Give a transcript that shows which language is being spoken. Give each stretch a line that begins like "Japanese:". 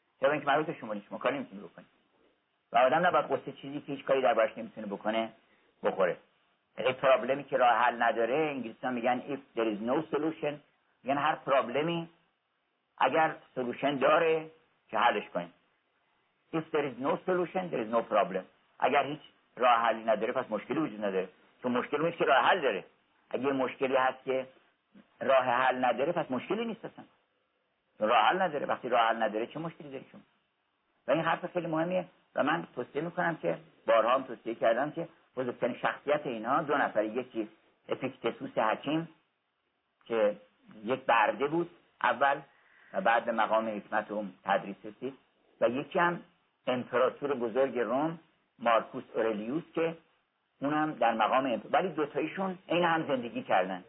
Persian: چرا؟ اینکه مربوط به شما نیست، شما کاری نمیتونید بکنید. و آدم نباید قصه چیزی که هیچ کاری دربارش نمیتونه بکنه بخوره. اگه پرابلمی که راه حل نداره، انگلیسی‌ها میگن
English: if there is no solution،
Persian: یعنی هر پرابلمی اگر سولوشن داره که حلش کنید.
English: If there is no solution there is no problem.
Persian: اگر هیچ راه حلی نداره پس مشکلی وجود نداره. تو مشکل اونیست که راه حل داره. اگه مشکلی هست که راه حل نداره پس مشکلی نیست اصلا. راه حل نداره. وقتی راه حل نداره چه مشکلی داره شما؟ و این حرف خیلی مهمیه و من توصیه میکنم که بارها هم توصیه کردم که بزرگترین شخصیت اینها دو نفر، یکی اپیکتتوس حکیم که یک برده بود اول و بعد به مقام حکمت و تدریس رسید و یکی هم امپراتور بزرگ روم مارکوس اورلیوس که اونم در مقام امپراتور، ولی دوتایشون این هم زندگی کردن.